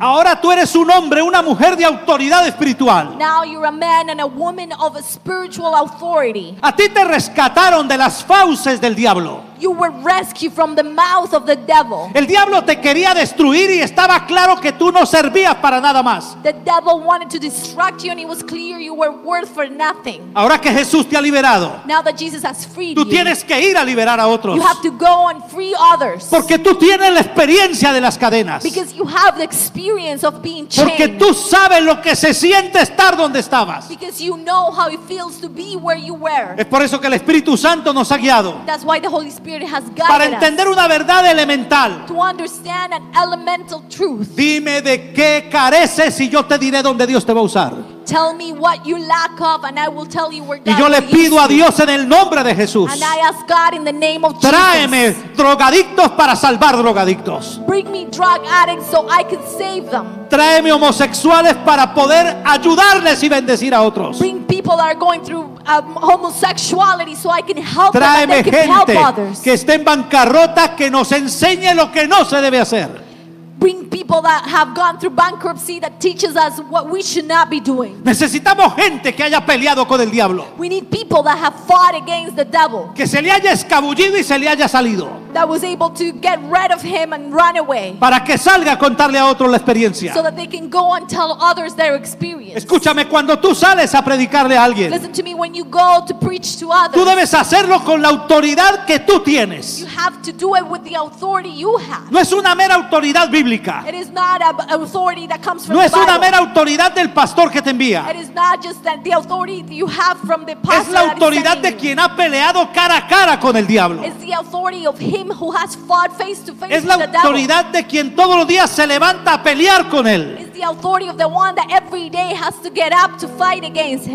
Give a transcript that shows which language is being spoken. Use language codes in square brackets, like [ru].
[es] Ahora tú eres un hombre, una mujer de autoridad espiritual. [en] Now you're a man and a woman of a spiritual authority. [es] A ti te rescataron de las fauces del diablo. [en] You were rescued from the mouth of the devil. [es] El diablo te quería destruir y estaba claro que tú no servías para nada más. [en] The devil wanted to distract you and it was clear you were worth for nothing. [es] Ahora que Jesús te ha liberado, [en] now that Jesus has freed [es] you, tú tienes que ir a liberar a otros. [en] You have to go and free others. [es] Porque tú tienes la experiencia de las cadenas. [en] Because you have the experience of being chained. [es] Porque tú sabes lo que se siente estar donde estabas. [en] Because you know how it feels to be where you were. [es] Es por eso que el Espíritu Santo nos ha guiado. [en] That's why the Holy Spirit. [es] Para entender una verdad elemental. [en] To understand an elemental truth. [es] Dime de qué careces y yo te diré dónde Dios te va a usar. [en] Tell me what you lack of and I will tell you where God [es] Y yo le pido a Dios en el nombre de Jesús. [en] And I ask God in the name of Jesus. [es] Tráeme drogadictos para salvar drogadictos. [en] Bring me drug addicts so I can save them. [es] Tráeme homosexuales para poder ayudarles y bendecir a otros. [en] Bring people that are going through homosexuality so I can help them. [es] Tráeme gente [en] can help others. [es] Que esté en bancarrota que nos enseñe lo que no se debe hacer. [en] Bring people that have gone through bankruptcy that teaches us what we should not be doing. [es] Necesitamos gente que haya peleado con el diablo. [en] We need people that have fought against the devil. [es] Que se le haya escabullido y se le haya salido. [en] that was able to get rid of him and run away. [es] Para que salga a contarle a otros la experiencia. [en] So that they can go and tell others their experience. [es] Escúchame, cuando tú sales a predicarle a alguien. [en] Listen to me, when you go to preach to others. [es] Tú debes hacerlo con la autoridad que tú tienes. [en] You have to do it with the authority you have. [es] No es una mera autoridad bíblica. [en] It is not an authority that comes from the Bible. [es] No es una mera autoridad del pastor que te envía. [en] It is not just that the authority you have from the pastor. [es] Es la autoridad de quien ha peleado cara a cara con el diablo. [en] It's the authority of him who has fought face to face. [es] Es la autoridad de quien todos los días se levanta a pelear con él. [en] It's the authority of the one that every day has to get up to fight against him.